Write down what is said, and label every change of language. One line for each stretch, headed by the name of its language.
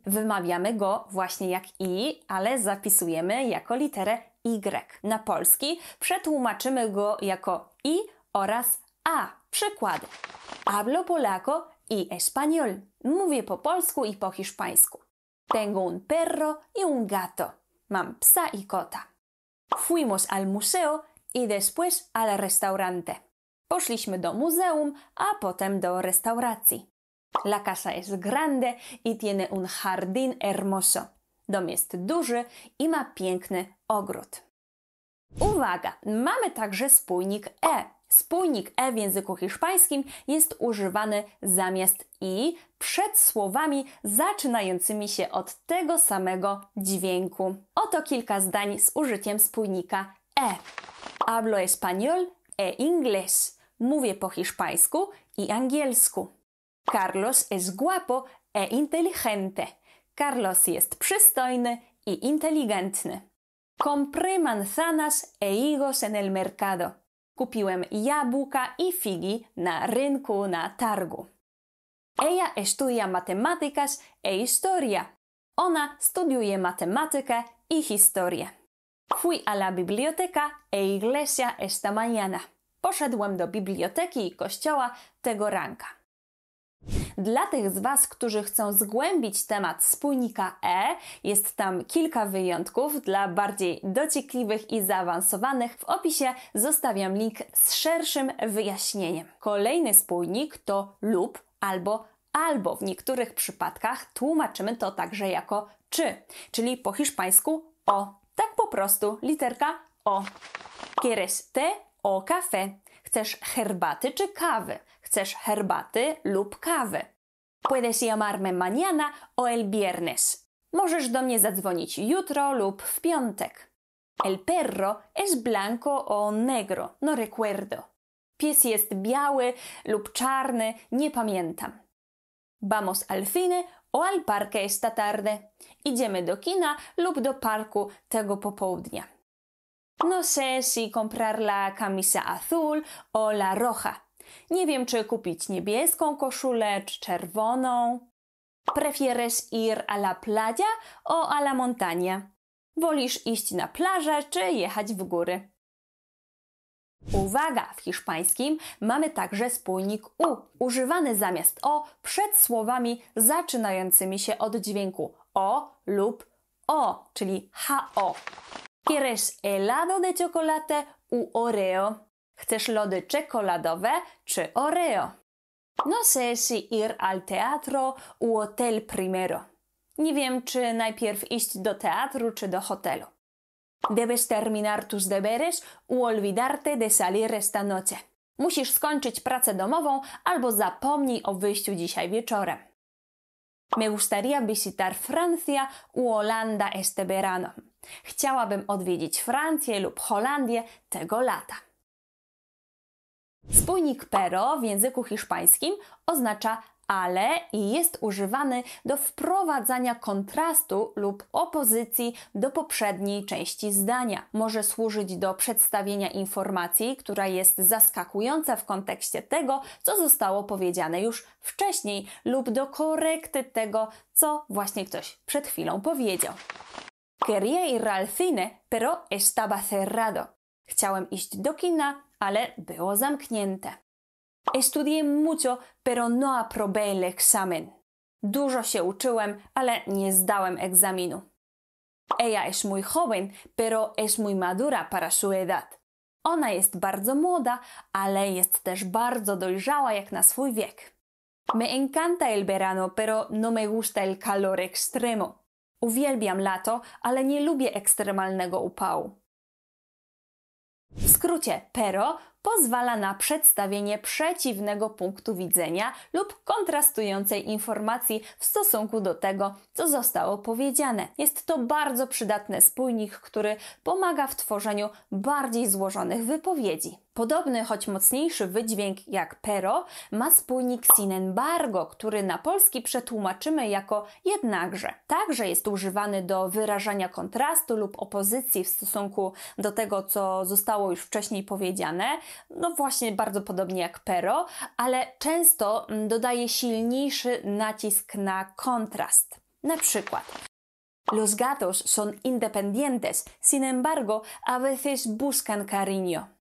Polish: Wymawiamy go właśnie jak i, ale zapisujemy jako literę y. Na polski przetłumaczymy go jako i oraz a. Przykład.
Spanish: Hablo polaco y español.
Polish: Mówię po polsku i po hiszpańsku.
Spanish: Tengo un perro y un gato.
Polish: Mam psa i kota.
Spanish: Fuimos al museo y después al restaurante.
Polish: Poszliśmy do muzeum, a potem do restauracji.
Spanish: La casa es grande y tiene un jardín hermoso.
Polish: Dom jest duży i ma piękny ogród. Uwaga! Mamy także spójnik e. Spójnik e w języku hiszpańskim jest używany zamiast i przed słowami zaczynającymi się od tego samego dźwięku. Oto kilka zdań z użyciem spójnika e.
Spanish: Hablo español e inglés.
Polish: Mówię po hiszpańsku i angielsku.
Spanish: Carlos es guapo e inteligente.
Polish: Carlos jest przystojny i inteligentny.
Spanish: Compré manzanas e higos en el mercado.
Polish: Kupiłem jabłka i figi na rynku, na targu.
Spanish: Ella estudia matemáticas e historia.
Polish: Ona studiuje matematykę i historię.
Spanish: Fui a la biblioteca e iglesia esta mañana.
Polish: Poszedłem do biblioteki i kościoła tego ranka. Dla tych z Was, którzy chcą zgłębić temat spójnika e, jest tam kilka wyjątków dla bardziej dociekliwych i zaawansowanych. W opisie zostawiam link z szerszym wyjaśnieniem. Kolejny spójnik to lub albo albo. W niektórych przypadkach tłumaczymy to także jako czy, czyli po hiszpańsku o. Tak po prostu, literka o.
Spanish: ¿Quieres té o café?
Polish: Chcesz herbaty czy kawy? Chcesz herbaty lub kawy?
Spanish: Puedes llamarme mañana o el viernes.
Polish: Możesz do mnie zadzwonić jutro lub w piątek.
Spanish: El perro es blanco o negro, no recuerdo.
Polish: Pies jest biały lub czarny, nie pamiętam.
Spanish: Vamos al cine o al parque esta tarde.
Polish: Idziemy do kina lub do parku tego popołudnia.
Spanish: No sé si comprar la camisa azul o la roja.
Polish: Nie wiem, czy kupić niebieską koszulę czy czerwoną.
Spanish: Prefieres ir a la playa o a la montaña?
Polish: Wolisz iść na plażę czy jechać w góry? Uwaga! W hiszpańskim mamy także spójnik u, używany zamiast o przed słowami zaczynającymi się od dźwięku o lub o, czyli ho.
Spanish: ¿Quieres helado de chocolate u Oreo?
Polish: Chcesz lody czekoladowe czy Oreo?
Spanish: No sé si ir al teatro u hotel primero.
Polish: Nie wiem, czy najpierw iść do teatru czy do hotelu.
Spanish: Debes terminar tus deberes u olvidarte de salir esta noche.
Polish: Musisz skończyć pracę domową albo zapomnij o wyjściu dzisiaj wieczorem.
Spanish: Me gustaría visitar Francia u Holanda este verano.
Polish: Chciałabym odwiedzić Francję lub Holandię tego lata. Spójnik pero w języku hiszpańskim oznacza ale i jest używany do wprowadzania kontrastu lub opozycji do poprzedniej części zdania. Może służyć do przedstawienia informacji, która jest zaskakująca w kontekście tego, co zostało powiedziane już wcześniej lub do korekty tego, co właśnie ktoś przed chwilą powiedział.
Spanish: Quería ir al cine, pero estaba cerrado.
Polish: Chciałem iść do kina, ale było zamknięte.
Spanish: Estudié mucho, pero no aprobé el examen.
Polish: Dużo się uczyłem, ale nie zdałem egzaminu.
Spanish: Ella es muy joven, pero es muy madura para su edad.
Polish: Ona jest bardzo młoda, ale jest też bardzo dojrzała jak na swój wiek.
Spanish: Me encanta el verano, pero no me gusta el calor extremo.
Polish: Uwielbiam lato, ale nie lubię ekstremalnego upału. W skrócie, pero pozwala na przedstawienie przeciwnego punktu widzenia lub kontrastującej informacji w stosunku do tego, co zostało powiedziane. Jest to bardzo przydatny spójnik, który pomaga w tworzeniu bardziej złożonych wypowiedzi. Podobny, choć mocniejszy wydźwięk jak pero, ma spójnik sin embargo, który na polski przetłumaczymy jako jednakże. Także jest używany do wyrażania kontrastu lub opozycji w stosunku do tego, co zostało już wcześniej powiedziane. No właśnie bardzo podobnie jak pero, ale często dodaje silniejszy nacisk na kontrast. Na przykład:
Spanish: Los gatos son independientes, sin embargo, a veces buscan cariño.